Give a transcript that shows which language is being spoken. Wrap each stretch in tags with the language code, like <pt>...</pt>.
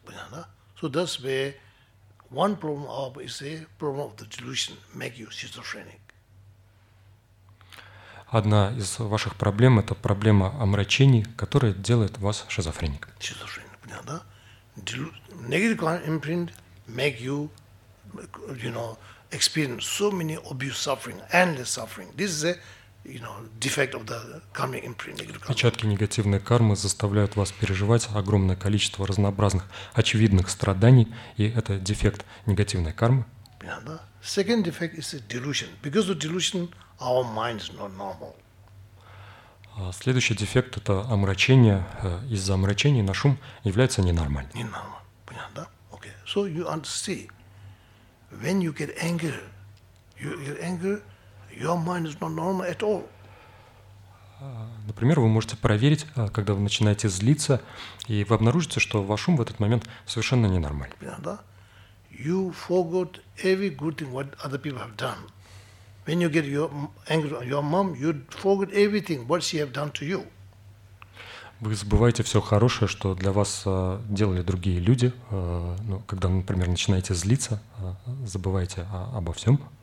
<ru>Понятно?</ru> <en>So that's where one problem is a problem of the delusion, make you schizophrenic.</en> <ru>Одна из ваших проблем – это проблема омрачений, которая делает вас шизофреником. Schizophrenic, понятно?</ru> <en>Negative imprint make you, you know, experience so many obvious suffering, endless suffering. This is a, you know, defect of the karmic imprint.</en> <ru>Отпечатки негативной кармы заставляют вас переживать огромное количество разнообразных очевидных страданий, и это дефект негативной кармы.</ru> <en>Second defect is a delusion. Because of delusion, our mind is not normal.</en> <ru>Следующий дефект – это омрачение. Из-за омрачений наш ум является ненормальным. Ненормальным. Понятно?</ru> <en>Okay. So you understand. When you get angry, your mind is not normal at all.</en> <ru>Например, вы можете проверить, когда вы начинаете злиться, и вы обнаружите, что ваш ум в этот момент совершенно ненормальный. Да?</ru> <en>You forgot every good thing what other people have done. When you get your anger on your mom, you forget everything what she have done to you.</en> <ru>Вы забываете все хорошее, что для вас делали другие люди. Ну, когда, например, начинаете злиться, забываете обо всем.</ru>